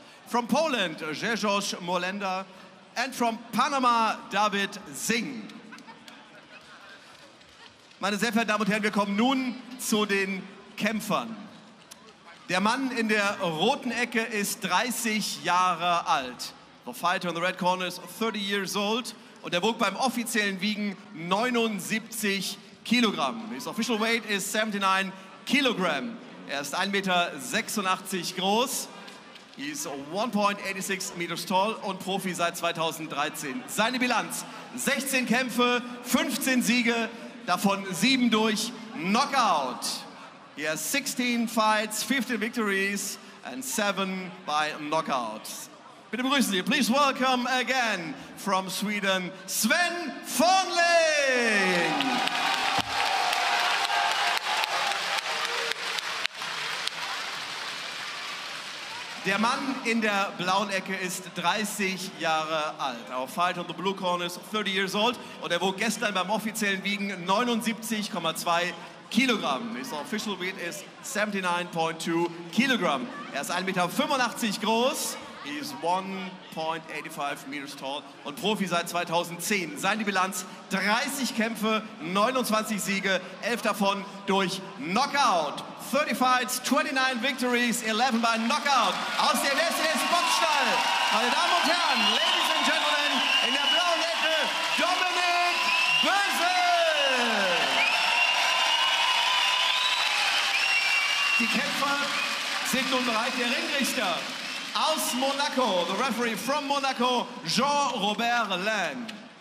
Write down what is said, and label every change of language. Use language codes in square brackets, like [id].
[en] From Poland, Grzegorz Molenda. And from Panama, David Singh. [de] Meine sehr verehrten Damen und Herren, wir kommen nun zu den Kämpfern. Der Mann in der roten Ecke ist 30 Jahre alt. [en] The fighter in the red corner is 30 years old. [de] Und er wog beim offiziellen Wiegen 79 Kilogramm. [en] His official weight is 79 Kilogramm. [de] Er ist 1,86 Meter groß. [en] He is 1.86 meters tall [de] und Profi seit 2013. Seine Bilanz: 16 Kämpfe, 15 Siege. Davon 7 durch Knockout. [en] He has 16 fights, 15 victories and 7 by Knockout. [de] Bitte begrüßen Sie, [en] please welcome again from Sweden, Sven Fornling. [de] Der Mann in der blauen Ecke ist 30 Jahre alt. [en] Our fighter in the blue corner is 30 years old. [de] Und er wog gestern beim offiziellen Wiegen 79,2 Kilogramm. [en] His official weight is 79,2 Kilogramm. [de] Er ist 1,85 Meter groß. [en] He is 1.85 meters tall. [de] Und Profi seit 2010. Seine Bilanz: 30 Kämpfe, 29 Siege, 11 davon durch Knockout. [en] 30 fights, 29 victories, 11 by knockout. [de] Aus der DSDS Boxstall, meine Damen und Herren, [en] Ladies and Gentlemen, [de] in der blauen Ecke, Dominik Böse. Die Kämpfer sind nun bereit, der Ringrichter aus Monaco, [en] the referee from Monaco, [de] Jean-Robert Lang.